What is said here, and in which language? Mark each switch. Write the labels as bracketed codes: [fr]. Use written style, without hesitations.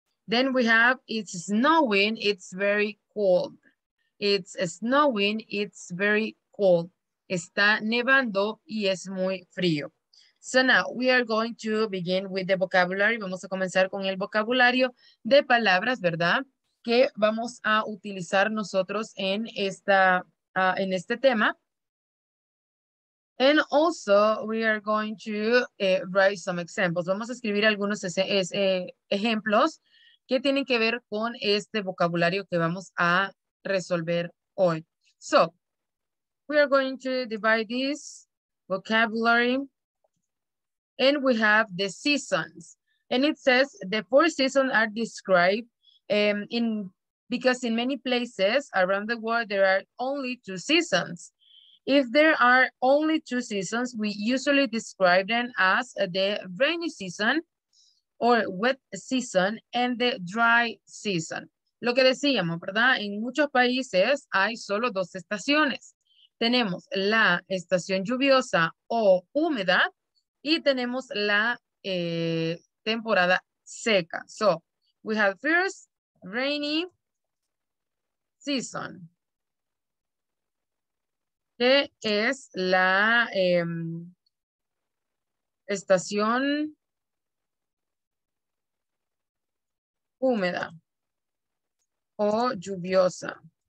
[en] Then we have, it's snowing, it's very cold. It's snowing, it's very cold. [es] Está nevando y es muy frío. [en] So now we are going to begin with the vocabulary. [es] Vamos a comenzar con el vocabulario de palabras, ¿verdad?, que vamos a utilizar nosotros en este tema. [en] And also, we are going to write some examples. [es] Vamos a escribir algunos ejemplos que tienen que ver con este vocabulario que vamos a resolver hoy. [en] So, we are going to divide this vocabulary. And we have the seasons. And it says the four seasons are described because in many places around the world, there are only two seasons. If there are only two seasons, we usually describe them as the rainy season or wet season and the dry season. [es] Lo que decíamos, ¿verdad? En muchos países hay solo dos estaciones. Tenemos la estación lluviosa o húmeda y tenemos la temporada seca. [en] So, we have first rainy season, [es] que es la estación húmeda o lluviosa.